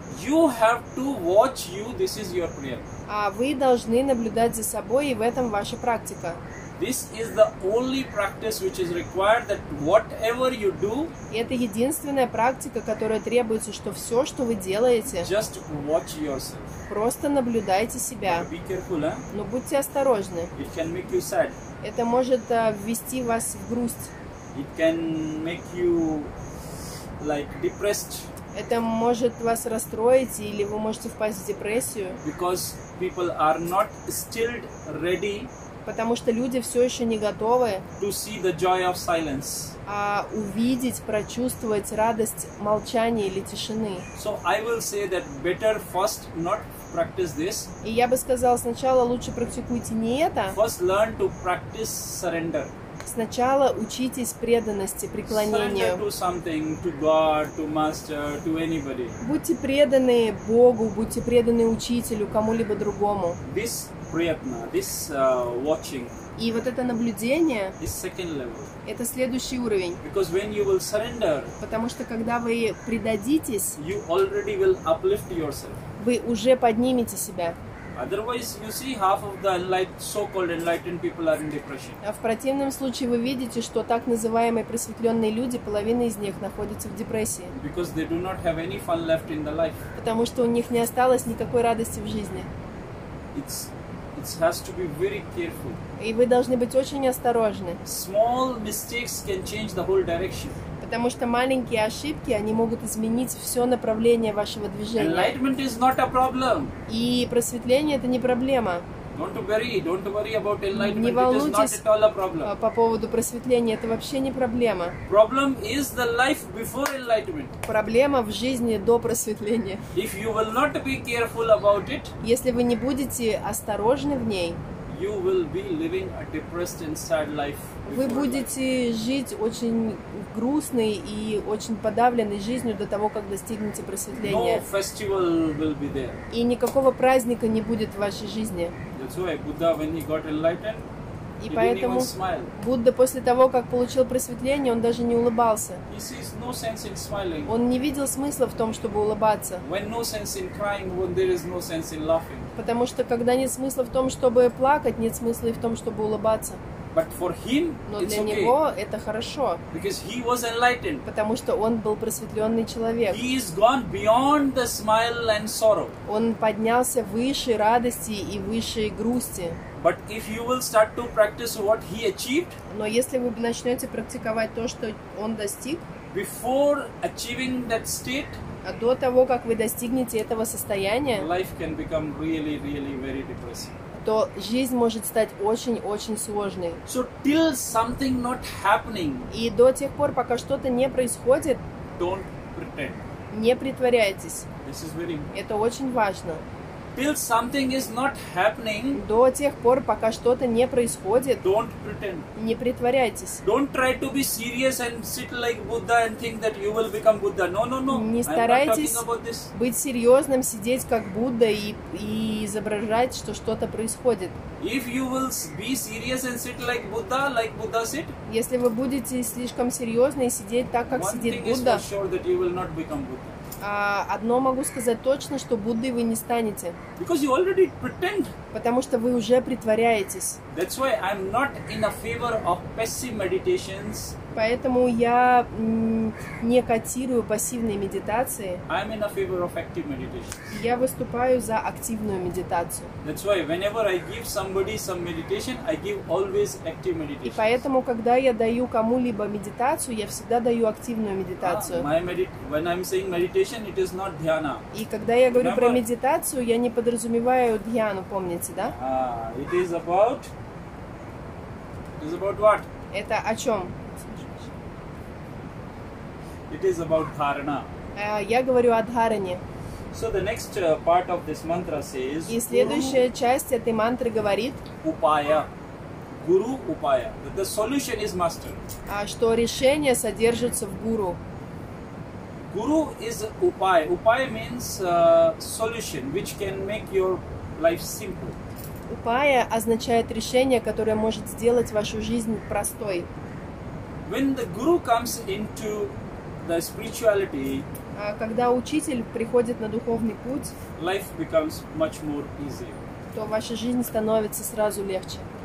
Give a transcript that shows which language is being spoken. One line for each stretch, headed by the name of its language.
English: You have to watch you, this is your prayatna.
Russian: А вы должны наблюдать за собой, и в этом ваша практика.
English: This is the only practice which is required that whatever you do.
Russian: Это единственная практика, которая требуется, что все, что вы делаете.
English: Just watch yourself.
Russian: Просто наблюдайте себя.
English: But be careful, huh?
Russian: Но будьте осторожны.
English: It can make you sad.
Russian: Это может ввести вас в грусть.
English: It can make you like depressed.
Russian: Это может вас расстроить или вы можете впасть в депрессию.
English: Because people are not still ready.
Russian: Потому что люди все еще не готовы
English: to see the joy of silence.
Russian: А увидеть, прочувствовать радость молчания или тишины.
English: So I will say that better first not practice this.
Russian: И я бы сказал, сначала лучше практикуйте не это.
English: First learn to practice surrender.
Russian: Сначала учитесь преданности, преклонению.
English: Surrender to something, to God, to master, to anybody.
Russian: Будьте преданы Богу, будьте преданы учителю, кому-либо другому.
English: This prayatna, this watching.
Russian: И вот это наблюдение.
English: Is second level.
Russian: Это следующий уровень.
English: Because when you will surrender.
Russian: Потому что когда вы предадитесь.
English: You already will uplift yourself.
Russian: Вы уже поднимете себя.
English: Otherwise, you see half of the so-called enlightened people are in depression.
Russian: А в противном случае вы видите, что так называемые просветленные люди, половина из них находится в депрессии.
English: Because they do not have any fun left in the life.
Russian: Потому что у них не осталось никакой радости в жизни.
English: It has to be very careful.
Russian: И вы должны быть очень осторожны.
English: Small mistakes can change the whole direction.
Russian: Потому что маленькие ошибки, они могут изменить все направление вашего движения.
English: Enlightenment is not a problem.
Russian: И просветление — это не проблема.
English: Don't worry about enlightenment.
Russian: Не волнуйтесь,
English: it is not at all a problem.
Russian: По поводу просветления, это вообще не проблема.
English: Problem is the life before enlightenment.
Russian: Проблема в жизни до просветления.
English: If you will not be careful about it,
Russian: если вы не будете осторожны в ней,
English: you will be living a depressed and sad life.
Russian: Вы будете жить очень грустной и очень подавленной жизнью до того, как достигнете просветления.
English: No festival will be there.
Russian: И никакого праздника не будет в вашей жизни.
English: That's why Buddha, when he got enlightened,
Russian: и поэтому
English: didn't even smile.
Russian: Будда после того, как получил просветление, он даже не улыбался.
English: He sees no sense in smiling.
Russian: Он не видел смысла в том, чтобы улыбаться.
English: When no sense in crying, when there is no sense in laughing.
Russian: Потому что когда нет смысла в том, чтобы плакать, нет смысла и в том, чтобы улыбаться.
English: But for him,
Russian: но для
English: it's okay.
Russian: него это хорошо.
English: Because he was enlightened.
Russian: Потому что он был просветленный человек.
English: He is gone beyond the smile and sorrow.
Russian: Он поднялся выше радости и выше грусти.
English: But if you will start to practice what he achieved,
Russian: но если вы начнете практиковать то, что он достиг,
English: before achieving that state,
Russian: а до того, как вы достигнете этого состояния,
English: life can become really, really very depressing.
Russian: То жизнь может стать очень-очень сложной.
English: So, till something not happening,
Russian: и до тех пор, пока что-то не происходит,
English: don't pretend.
Russian: Не притворяйтесь.
English: This is very important.
Russian: Это очень важно.
English: Till something is not happening,
Russian: до тех пор, пока что-то не происходит,
English: don't pretend.
Russian: Не притворяйтесь.
English: Don't try to be serious and sit like Buddha and think that you will become Buddha. No.
Russian: Не старайтесь быть серьезным, сидеть как Будда и изображать, что что-то происходит.
English: If you will be serious and sit like Buddha sit,
Russian: если вы будете слишком серьезны и сидеть так, как сидит Будда,
English: one thing is for sure that you will not become Buddha.
Russian: Одно могу сказать точно, что Буддой вы не станете.
English: Because you already pretend.
Russian: Потому что вы уже притворяетесь.
English: That's why I'm not in a favor of passive meditations.
Russian: Поэтому я не котирую пассивные медитации.
English: I'm in a favor of active meditations.
Russian: Я выступаю за активную медитацию.
English: That's why whenever I give somebody some meditation, I give always active meditations.
Russian: И поэтому, когда я даю кому-либо медитацию, я всегда даю активную медитацию.
English: When I'm saying meditation, it is not dhyana.
Russian: И когда я говорю про медитацию, я не подразумеваю дхьяну, помните, да?
English: It is about what?
Russian: Это о чем?
English: It is about dharana.
Russian: Я говорю о дхаране.
English: So the next part of this mantra says.
Russian: И следующая часть этой мантры говорит.
English: Упая. Гуру упая. The solution is master.
Russian: А что решение содержится в гуру?
English: Гуру is упая. Упая means solution, which can make your life simple.
Russian: Упая означает решение, которое может сделать вашу жизнь простой.
English: When the guru comes into the spirituality,
Russian: когда учитель приходит на духовный путь,
English: life becomes much more easy.
Russian: То ваша жизнь становится сразу легче.